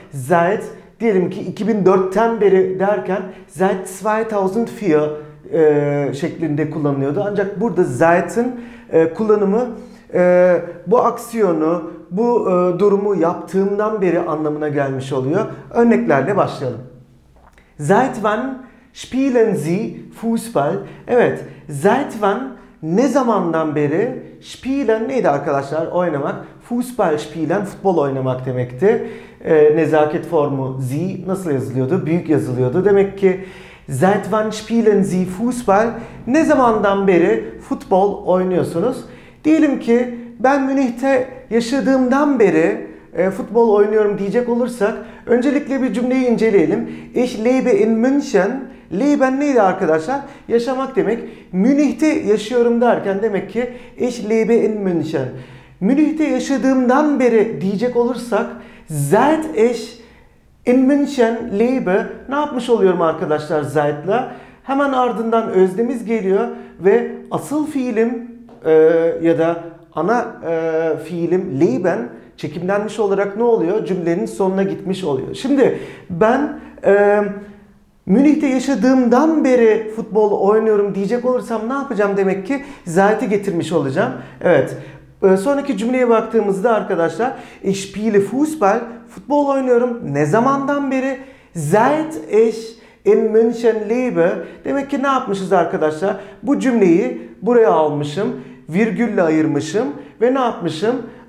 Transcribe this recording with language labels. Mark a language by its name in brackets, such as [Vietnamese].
[Turkish] Zeit, diyelim ki 2004'ten beri derken Zeit 2004 şeklinde kullanılıyordu. Ancak burada Zeit'in kullanımı bu aksiyonu, bu durumu yaptığımdan beri anlamına gelmiş oluyor. Örneklerle başlayalım. [German] Seit wann spielen Sie Fußball? [Turkish] Evet, [German] seit wann, [Turkish] ne zamandan beri, [German] spielen [Turkish] neydi arkadaşlar? Oynamak. [German] Fußball spielen, [Turkish] futbol oynamak demekti. Nezaket formu Sie nasıl yazılıyordu? Büyük yazılıyordu. Demek ki [German] seit wann spielen Sie Fußball? [Turkish] Ne zamandan beri futbol oynuyorsunuz? Diyelim ki ben Münih'te yaşadığımdan beri futbol oynuyorum diyecek olursak, öncelikle bir cümleyi inceleyelim. [German] Ich lebe in München. [Turkish] Lebe neydi arkadaşlar? Yaşamak demek. Münih'te yaşıyorum derken demek ki [German] ich lebe in München. [Turkish] Münih'te yaşadığımdan beri diyecek olursak, [German] seit ich in München lebe, [Turkish] ne yapmış oluyorum arkadaşlar seit'le? Hemen ardından özlemiz geliyor ve asıl fiilim ya da ana fiilim leben çekimlenmiş olarak ne oluyor? Cümlenin sonuna gitmiş oluyor. Şimdi ben Münih'te yaşadığımdan beri futbol oynuyorum diyecek olursam ne yapacağım demek ki? Zeit'i getirmiş olacağım. Evet. Sonraki cümleye baktığımızda arkadaşlar [German] ich spiele Fußball, [Turkish] futbol oynuyorum. Ne zamandan beri? [German] Seit ich in München lebe. [Turkish] Demek ki ne yapmışız arkadaşlar? Bu cümleyi buraya almışım, virgülle ayırmışım ve ne yapmışım?